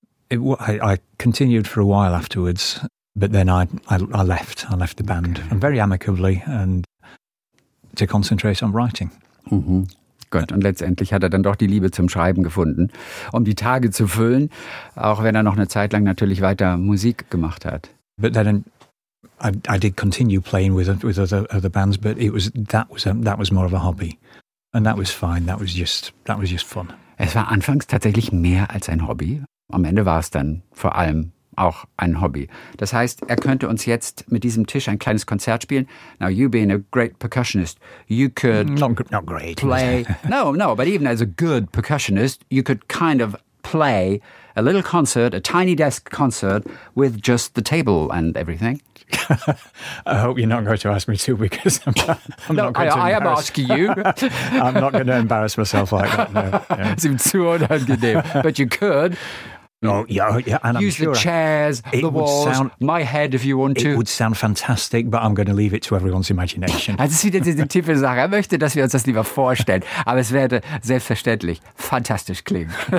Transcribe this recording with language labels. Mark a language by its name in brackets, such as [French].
[English] I continued for a while afterwards, but then I left. I left the band very amicably and to concentrate on writing. Mhm. [German] Gut, und letztendlich hat er dann doch die Liebe zum Schreiben gefunden, um die Tage zu füllen, auch wenn er noch eine Zeit lang natürlich weiter Musik gemacht hat. [English] But then I did continue playing with other bands, but that was more of a hobby, and that was fine. That was just fun. [German] Es war anfangs tatsächlich mehr als ein Hobby. Am Ende war es dann vor allem auch ein Hobby. Das heißt, er könnte uns jetzt mit diesem Tisch ein kleines Konzert spielen. [English] Now, you being a great percussionist, you could not great play. No, but even as a good percussionist, you could kind of play a little concert, a tiny desk concert with just the table and everything? I hope you're not going to ask me to, because I am asking you. I'm not going to embarrass myself like that. Seems too unangenehm, but you could. Use the chairs, the walls, sound, my head if you want to. It would sound fantastic, but I'm going to leave it to everyone's imagination. [German] Also sieht jetzt die tiefe Sache. Er möchte, dass wir uns das lieber vorstellen. Aber es werde selbstverständlich fantastisch klingen.